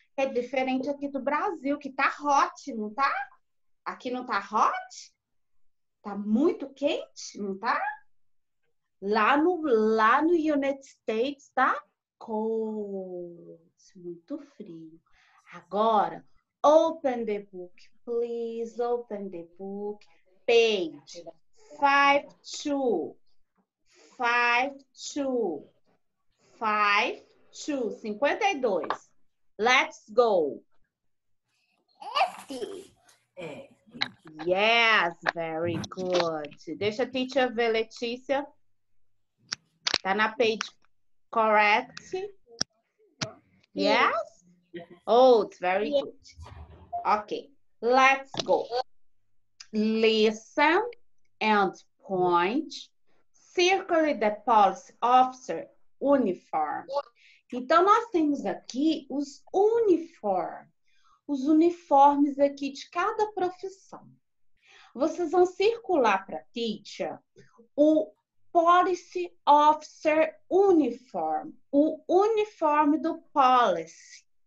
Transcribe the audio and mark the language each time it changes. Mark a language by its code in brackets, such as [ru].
[pt] É diferente aqui do Brasil, que tá hot, não tá? Aqui não tá hot? Tá muito quente, não tá? Lá no United States tá cold, muito frio. Agora, [en] open the book, please. Open the book, page 52. 52. 52, 52. Let's go. Yes, very good. [pt] Deixa a teacher ver, Letícia. Tá na [en] page correct? Yes? Oats, very good. Okay, let's go. Listen and point. Circle the police officer uniform. [pt] Então, nós temos aqui os uniformes. Os uniformes aqui de cada profissão. Vocês vão circular para a teacher o [en] police officer uniform. [pt] O uniforme do police.